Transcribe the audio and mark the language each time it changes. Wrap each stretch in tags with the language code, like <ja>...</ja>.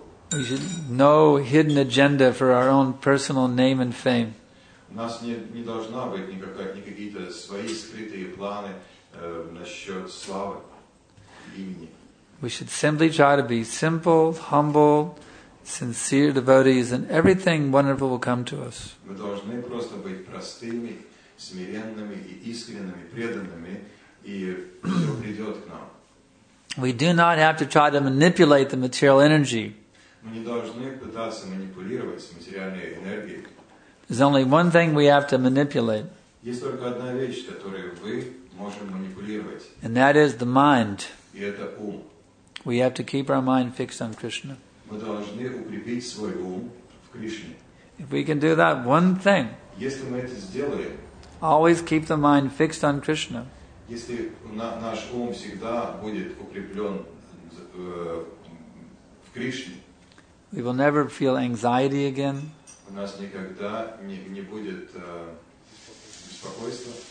<en>We should have no hidden agenda for our own personal name and fame.</en> <ru>У нас не должна быть никакие какие-то свои скрытые планы насчет славы имени.</ru> <en>We should simply try to be simple, humble, sincere devotees, and everything wonderful will come to us.</en> <ru>Мы должны просто быть простыми, смиренными и искренними, преданными, и все придет к нам.</ru> <en>We do not have to try to manipulate the material energy.</en> <ru>Мы не должны пытаться манипулировать с материальной энергией.</ru> <en>There's only one thing we have to manipulate.</en> <ru>Есть только одна вещь, которую мы можем манипулировать.</ru> <en>And that is the mind.</en> <ru>И это ум.</ru> <en>We have to keep our mind fixed on Krishna.</en> <ru>Мы должны укрепить свой ум в Кришне.</ru> <en>If we can do that one thing.</en> <ru>Если мы это сделаем.</ru> <en>Always keep the mind fixed on Krishna.</en> <ru>Если наш ум всегда будет укреплен в Кришне.</ru> <en>We will never feel anxiety again.</en> <ru>У нас никогда не будет беспокойства.</ru>